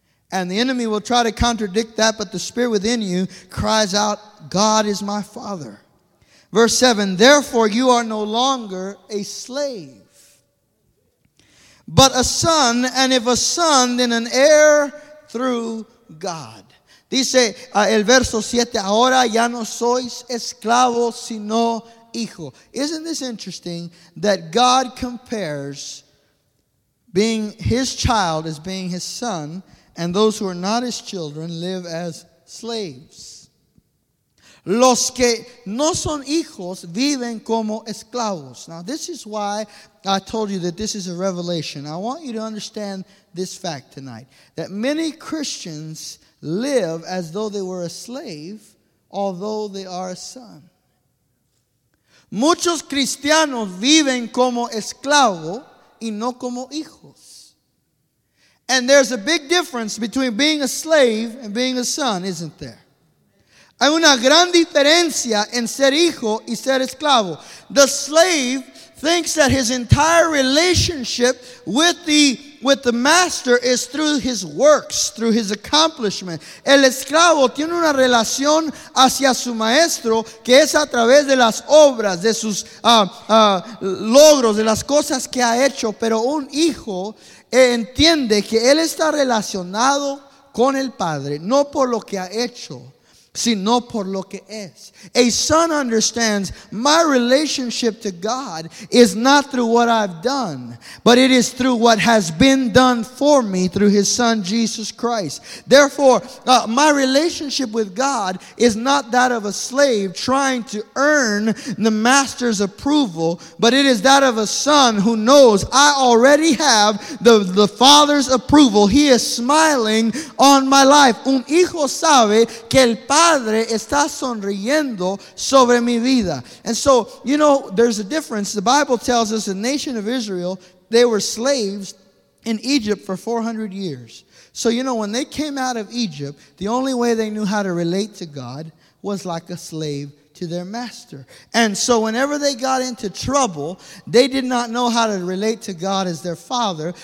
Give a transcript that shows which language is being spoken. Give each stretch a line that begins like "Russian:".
English: And the enemy will try to contradict that, but the Spirit within you cries out, God is my Father. Verse 7, therefore you are no longer a slave, but a son, and if a son, then an heir through God.
Spanish: Dice el verso 7, ahora ya no sois esclavo, sino hijo.
English: Isn't this interesting that God compares being his child as being his son, and those who are not his children live as slaves.
Spanish: Los que no son hijos viven como esclavos.
English: Now, this is why I told you that this is a revelation. I want you to understand this fact tonight, that many Christians live as though they were a slave, although they are a son.
Spanish: Muchos cristianos viven como esclavos y no como hijos.
English: And there's a big difference between being a slave and being a son, isn't there?
Spanish: Hay una gran diferencia en ser hijo y ser esclavo.
English: The slave thinks that his entire relationship with the master is through his works, through his accomplishment.
Spanish: El esclavo tiene una relación hacia su maestro que es a través de las obras, de sus logros, de las cosas que ha hecho. Pero un hijo entiende que él está relacionado con el padre, no por lo que ha hecho, sino por lo que es.
English: A son understands my relationship to God is not through what I've done, but it is through what has been done for me through his son Jesus Christ. Therefore, my relationship with God is not that of a slave trying to earn the master's approval, but it is that of a son who knows I already have the father's approval. He is smiling on my life.
Spanish: Un hijo sabe que el padre está sonriendo sobre mi vida.
English: And so, you know, there's a difference. The Bible tells us the nation of Israel, they were slaves in Egypt for 400 years. So, you know, when they came out of Egypt, the only way they knew how to relate to God was like a slave to their master. And so whenever they got into trouble, they did not know how to relate to God as their father.